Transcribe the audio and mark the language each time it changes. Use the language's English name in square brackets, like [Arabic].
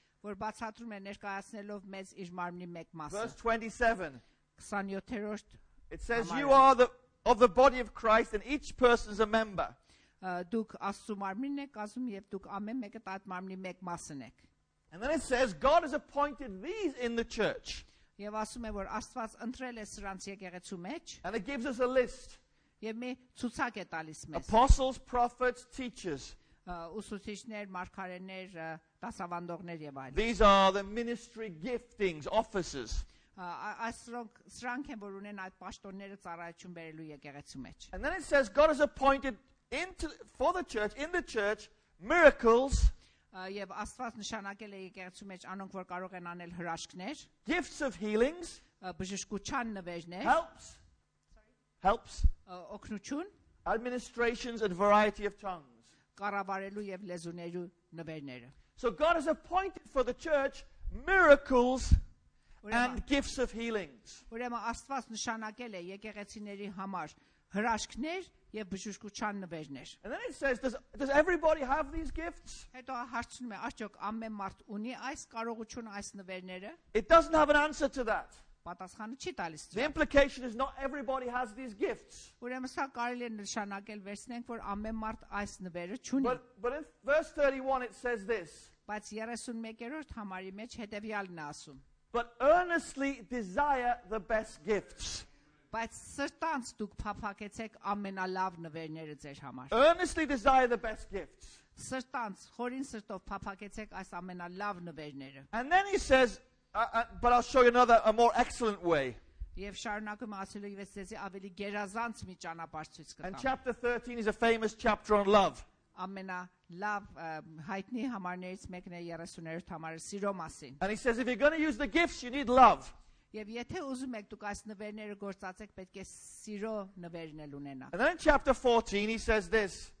[Armenian] Որ բացատրում է ներկայացնելով մեզ իր մարմնի մեկ մասը. [English] Verse 27. [Armenian] 27-րդ. [English] It says you are of the body of Christ and each person is a member. [Armenian] Դուք Աստծո մարմինն եք, ասում եւ դուք ամեն մեկը այդ մարմնի մեկ մասն եք. [English] And then it says God has appointed these in the church. [Armenian] Եվ ասում է որ Աստված ընտրել է սրանց եկեղեցու մեջ. [English] And it gives us a list. [Armenian] Եվ մի ցուցակ է տալիս մեզ. [English] Apostles, prophets, teachers. [Armenian] Ուսուցիչներ, մարգարեներ, դասավանդողներ եւ այլն. [English] These are the ministry giftings, offices. [Armenian] Սրանք են որ ունեն այդ պաշտոնները ծառայություն բերելու եկեղեցու մեջ. [English] And then it says God has appointed in the church miracles. [Armenian] Եվ Աստված նշանակել է եկեղեցու մեջ անոնք որ կարող են անել հրաշքներ. [English] Gifts of healings. [Armenian] Բժշկության նվերներ. [English] Helps. [Armenian] Օգնություն. [English] Administrations and variety of tongues. [Armenian] Կառավարելու եւ լեզուներու նվերները. [English] So God has appointed for the church miracles and gifts of healings. [Armenian] Ուրեմն Աստված նշանակել է եկեղեցիների համար հրաշքներ եւ բժշկության նվերներ. [English] And then it says does everybody have these gifts? [Armenian] Հետո հարցնում է, արդյոք ամեն մարդ ունի այս կարողությունը, այս նվերները? [English] It doesn't have an answer to that. [Armenian] Պատասխանը չի տալիս։ [English] The implication is not everybody has these gifts. [Armenian] Ուրեմն սա կարելի է նշանակել, վերցնենք, որ ամեն մարդ այս նվերը չունի։ [English] But in verse 31 it says this. [Armenian] Բայց 31-րդ համարի մեջ հետևյալն է ասում. [English] But earnestly desire the best gifts. [Armenian] Բայց սրտանց դուք փափակեցեք ամենալավ նվերները ձեր համար։ [English] Earnestly desire the best gifts. [Armenian] Սրտանց, խորին սրտով փափակեցեք այս ամենալավ նվերները։ [English] And then he says but I'll show you another a more excellent way. [Armenian] Եվ շարունակում ասելու եւ ցեզի ավելի գերազանց մի ճանապարհ ցույց կտամ. [English] And chapter 13 is a famous chapter on love. [Armenian] Ամենա լավ հայտնի համարներից մեկն է 30-րդ համարը սիրո մասին. [English] And he says if you're going to use the gifts you need love. [Armenian] Եվ եթե ուզում եք դուք այս նվերները գործածեք պետք է սիրո նվերն էլ ունենաք. [English] And then chapter 14 he says this.